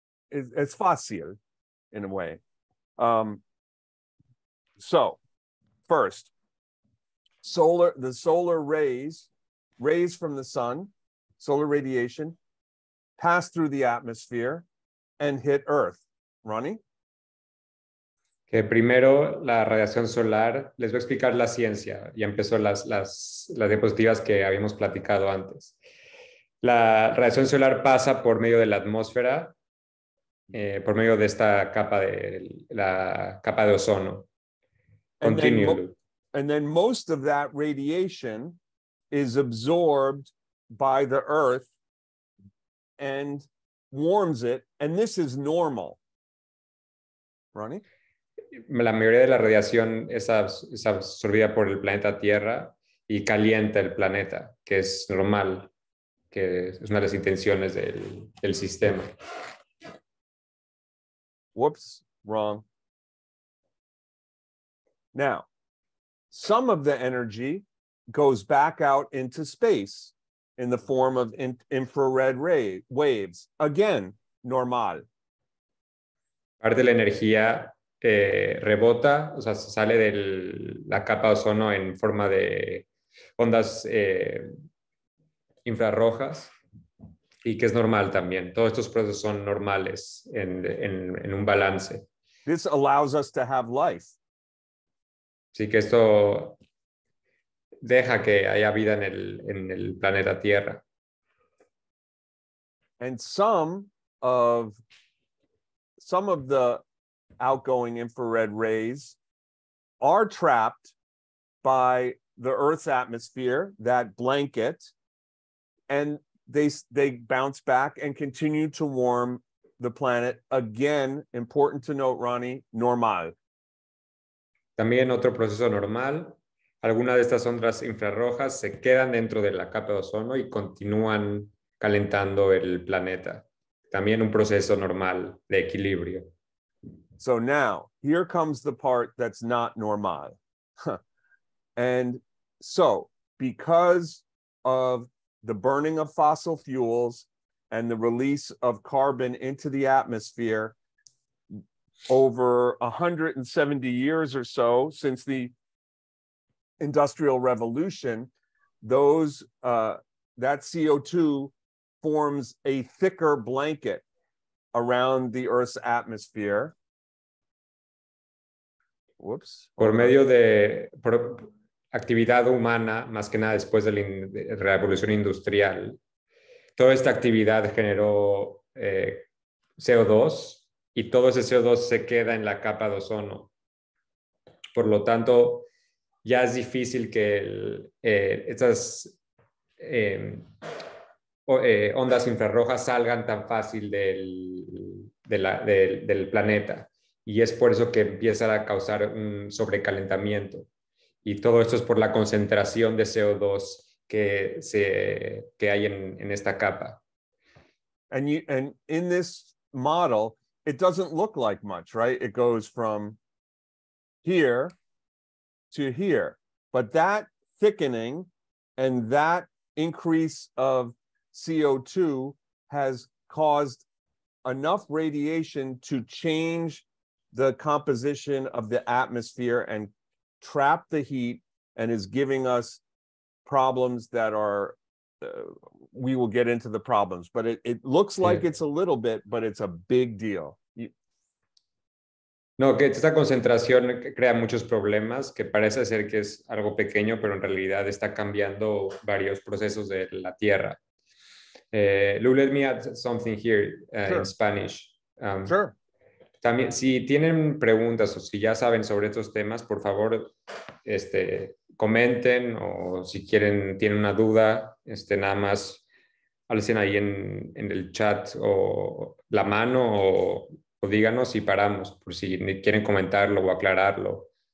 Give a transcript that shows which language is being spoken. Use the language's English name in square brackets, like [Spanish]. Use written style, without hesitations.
[English] It's fácil in a way. So first, the solar rays from the sun, solar radiation, pass through the atmosphere and hit Earth. Ronnie? [Spanish] Que primero la radiación solar, les voy a explicar la ciencia, ya empezó las diapositivas que habíamos platicado antes. La radiación solar pasa por medio de la atmósfera, por medio de esta capa de la capa de ozono. [English] Continue. And then most of that radiation is absorbed by the Earth and warms it, and this is normal. Ronnie? [Spanish] La mayoría de la radiación es absorbida por el planeta Tierra y calienta el planeta, que es normal, que es una de las intenciones del sistema. [English] Whoops, wrong. Now, some of the energy goes back out into space in the form of infrared waves. Again, normal. [Spanish] Parte de la energía rebota, o sea, sale de la capa de ozono en forma de ondas infrarrojas y que es normal también. Todos estos procesos son normales en un balance. [English] This allows us to have life. [Spanish] Sí, que esto deja que haya vida en el planeta Tierra. [English] And some of the outgoing infrared rays are trapped by the Earth's atmosphere, that blanket, and they bounce back and continue to warm the planet. Again, important to note, Ronnie, normal. [Spanish] También otro proceso normal. Algunas de estas ondas infrarrojas se quedan dentro de la capa de ozono y continúan calentando el planeta. También un proceso normal de equilibrio. [English] So now, here comes the part that's not normal. And so, because of the burning of fossil fuels and the release of carbon into the atmosphere, over 170 years or so since the Industrial Revolution, that CO2 forms a thicker blanket around the Earth's atmosphere. Whoops. [Spanish] Por medio de actividad humana, más que nada después de la revolución industrial, toda esta actividad generó CO2 y todo ese CO2 se queda en la capa de ozono. Por lo tanto, ya es difícil que estas ondas infrarrojas salgan tan fácil del planeta. Y es por eso que empieza a causar un sobrecalentamiento. Y todo esto es por la concentración de CO2 que hay en esta capa. [English] And in this model, it doesn't look like much, right? It goes from here to here. But that thickening and that increase of CO2 has caused enough radiation to change the composition of the atmosphere and trap the heat, and is giving us problems that are, we will get into the problems, but it looks like it's a little bit, but it's a big deal. [Spanish] No, que esta concentración crea muchos problemas, que parece ser que es algo pequeño, pero en realidad está cambiando varios procesos de la Tierra. [English] Lou, let me add something here in Spanish. Sure. [Spanish] También, si tienen preguntas o si ya saben sobre estos temas, por favor, comenten, o si quieren, tienen una duda, nada más alcen ahí en el chat o la mano o díganos y paramos, por si quieren comentarlo o aclararlo.